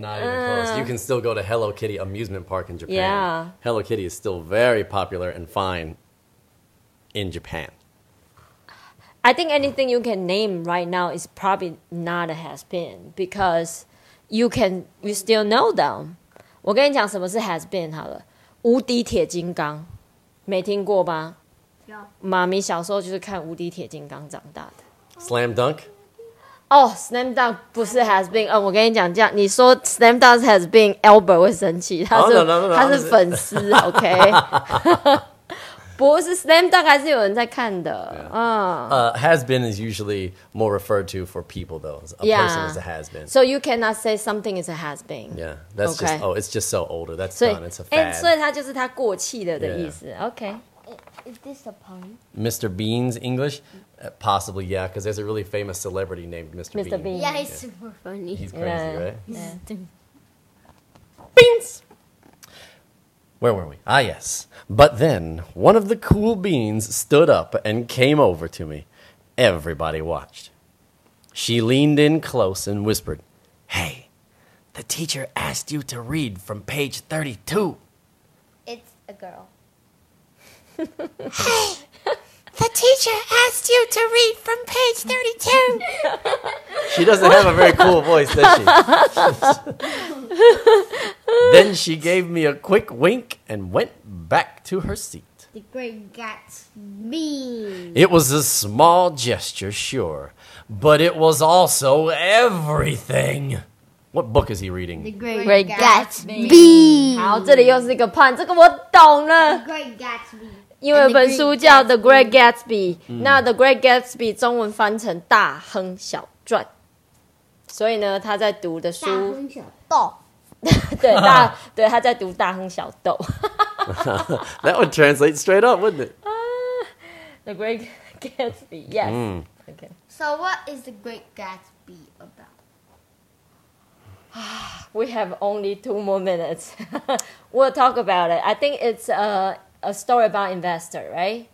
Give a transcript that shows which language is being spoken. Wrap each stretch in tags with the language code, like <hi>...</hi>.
<en>not even close you can still go to Hello Kitty amusement park in Japan yeah Hello Kitty is still very popular and fine in Japan I think anything you can name right now is probably not a has been because you still know them.</en> <zh>我跟你讲什么是 has been 好了，无敌铁金刚，没听过吧？有。妈咪小时候就是看无敌铁金刚长大的。</zh> <en>Slam dunk. Oh, slam dunk</en> <zh>不是</zh> <en>has been.</en> <zh>我跟你讲这样，你说</zh> <en>slam dunk has been,</en> <zh>Albert 会生气。他是</zh> <en>no,</en> <zh>他是粉丝，OK 。不是 slam dunk 还是有人在看的、</zh> <en>yeah. Has been is usually more referred to for people though a、 yeah. person is a has been so you cannot say something is a has been yeah that's、okay. just oh it's just so older that's so, done it's a fad</en> <zh>所以它就是它过气的的意思、yeah.</zh> <en>okay is this a pun Mr. Bean's English possibly yeah because there's a really famous celebrity named Mr. Bean yeah he's super funny he's crazy right Beans where were we ah yesBut then, one of the cool beans stood up and came over to me. Everybody watched. She leaned in close and whispered, Hey, the teacher asked you to read from page 32. a girl. Hey, the teacher asked you to read from page 32. She doesn't have a very cool voice, does she? Then she gave me a quick wink and went back to her seat. The grade got me. It was a small gesture, sure, but it was also everything. What book is he reading? The Great Gatsby.</en> <zh>好，这里又是一个 pun， 这个我懂了。</zh> <en>The Great Gatsby，</en> <zh>因为本书叫 The Great Gatsby，那 The Great Gatsby 中文翻成《大亨小传》，所以呢，他在读的书 《大亨小豆》 对，大对，他在读《大亨小豆》。</zh> <en>That would translate straight up, wouldn't it? The Great Gatsby. Yes.、Mm. Okay. So, what is The Great Gatsby about? We have only 2 more minutes. We'll talk about it. I think it's a story about investor, right?</en>